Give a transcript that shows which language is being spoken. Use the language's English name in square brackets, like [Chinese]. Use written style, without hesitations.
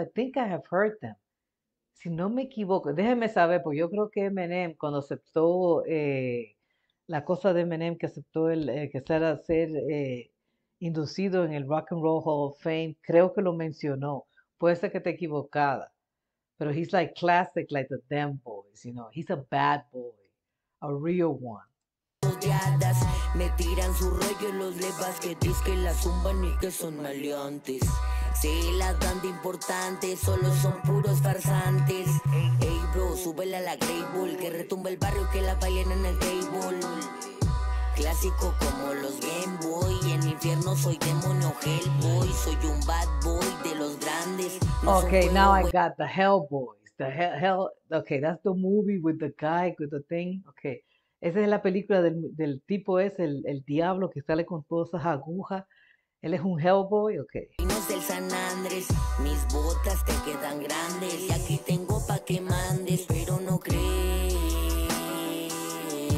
[English] I think I have heard them. [Spanish] Si no me equivoco, déjenme saber, porque yo creo que Eminem, cuando aceptó la cosa de Eminem, que aceptó el que será ser inducido en el Rock and Roll Hall of Fame, creo que lo mencionó. Puede ser que esté equivocada. [English] Pero he's like classic, like the Den Boys, you know. He's a bad boy. A real one. [Spanish] Me tiran su rollo en los levas que dicen que la zumban y que son maleantes. Si las dan de importantes, solo son puros farsantes. Ey, bro, súbele a la Grey Bull, que retumba el barrio, que la bailen en el Grey Bull. Clásico como los Game Boy, en infierno soy demonio Hellboy. Soy un bad boy de los grandes. [English] No, okay, now I got the Hellboys. The hell, okay, that's the movie with the guy, with the thing, okay. [Spanish] Esa es la película del tipo ese, el diablo que sale con todas esas agujas. ¿Él es un Hellboy o qué? No es del San Andrés, mis botas te quedan grandes. Y aquí tengo pa' que mandes, pero no crees.